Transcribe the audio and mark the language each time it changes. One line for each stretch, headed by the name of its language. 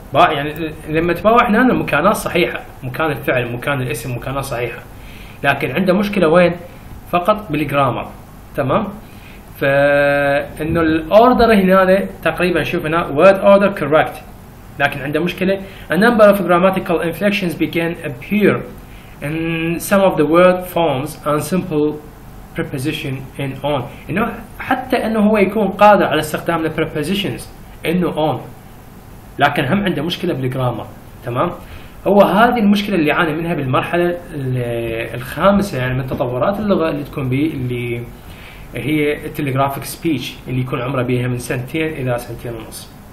Arabic: يعني لما تباوع هنا المكانات صحيحة. مكان الفعل، مكان الاسم، مكانات صحيحة. لكن عنده مشكلة وين؟ فقط بالجرامر. تمام؟ فإنه الأوردر هنا تقريبا شوف هنا
English: word order correct.
Arabic: لكن عنده مشكلة.
English: A number of grammatical inflections begin appear in some of the word forms and simple preposition in on.
Arabic: إنه حتى إنه هو يكون قادر على استخدام
English: the prepositions in on،
Arabic: لكن هم عنده مشكلة بالجرامر، تمام؟ هو هذه المشكلة اللي يعاني منها بالمرحلة الخامسة يعني من تطورات اللغة اللي تكون به اللي هي telegraphic speech اللي يكون عمره بيها من سنتين إلى سنتين ونص.